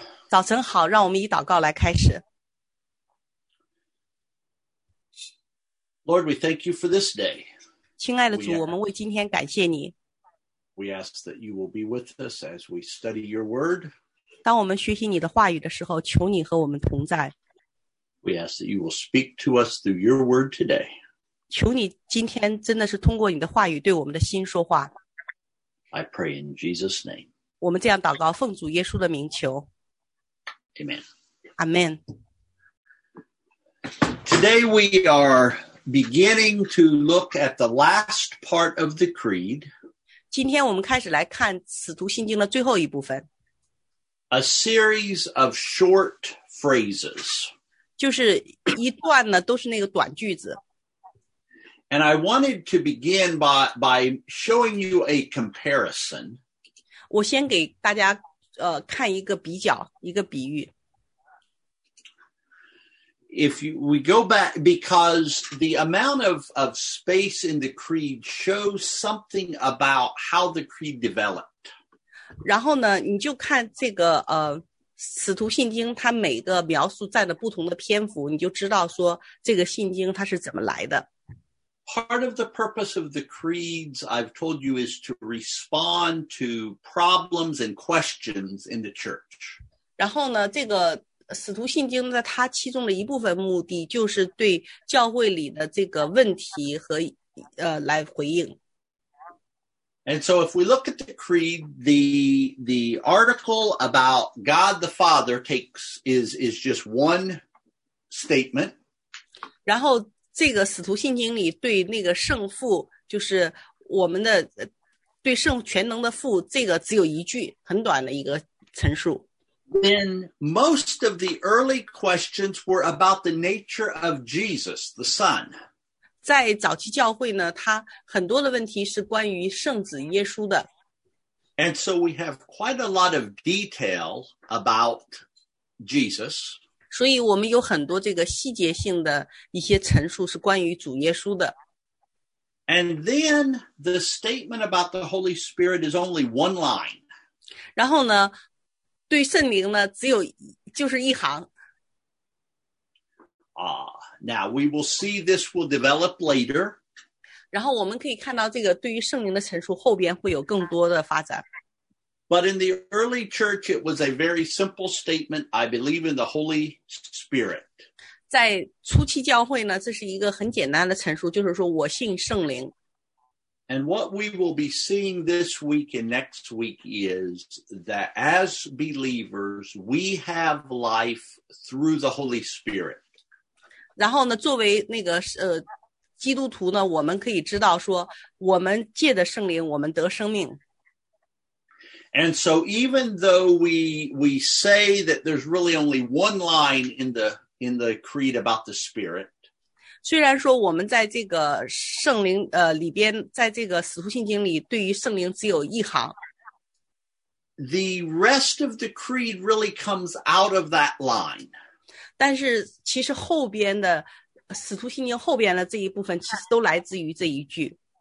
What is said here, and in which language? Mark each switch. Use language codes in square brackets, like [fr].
[zh] 早晨好，让我们以祷告来开始。 [en] Lord, we thank you for this day. [zh] 亲爱的主，我们为今天感谢你。 [en] We ask that you will be with us as we study your word. [zh] 当我们学习你的话语的时候，求你和我们同在。 [en] We ask that you will speak to us through your word today. [zh] 求你今天真的是通过你的话语对我们的心说话。 [en] I pray in Jesus' name. [zh] 我们这样祷告，奉主耶稣的名求。 [en] Amen. Amen. Today we are beginning to look at the last part of the Creed. [zh] 今天我们开始来看使徒信经的最后一部分。 [en] A series of short phrases. [zh] 就是一段呢，都是那个短句子。 [en] And I wanted to begin by showing you a comparison. [zh] 我先给大家看一个比较，一个比喻。 [en] If we go back, because the amount of space in the Creed shows something about how the Creed developed. [zh] 然后呢，你就看这个使徒信经，它每个描述占的不同的篇幅，你就知道说这个信经它是怎么来的。 [en] Part of the purpose of the creeds, I've told you, is to respond to problems and questions in the church. [zh] 然后呢，这个使徒信经呢，它其中的一部分目的就是对教会里的这个问题和来回应。 [en] And so if we look at the creed, the article about God the Father is just one statement. [zh] 然后这个使徒信经里对那个圣父，就是我们的对圣全能的父，这个只有一句，很短的一个陈述。 [en] Then most of the early questions were about the nature of Jesus, the Son. [zh] 在早期教会呢，他很多的问题是关于圣子耶稣的。 [en] And so we have quite a lot of detail about Jesus. [zh] 所以我们有很多这个细节性的一些陈述是关于主耶稣的。 [en] And then the statement about the Holy Spirit is only one line. [zh] 然后呢，对圣灵呢，只有就是一行。 [en] Now we will see this will develop later. [zh] 然后我们可以看到这个对于圣灵的陈述后边会有更多的发展。 [en] But in the early church, it was a very simple statement, I believe in the Holy Spirit. [zh] 在初期教会呢，这是一个很简单的陈述，就是说我信圣灵。 [en] And what we will be seeing this week and next week is that as believers, we have life through the Holy Spirit. [zh] 然后呢，作为那个基督徒呢，我们可以知道说，我们借着圣灵，我们得生命。 [en] And so even though we say that there's really only one line in the creed about the Spirit. [zh] 虽然说我们在这个圣灵里边，在这个使徒信经里对于圣灵只有一行。 [en] The rest of the creed really comes out of that line. [zh] 但是其实后边的使徒信经后边的这一部分其实都来自于这一句。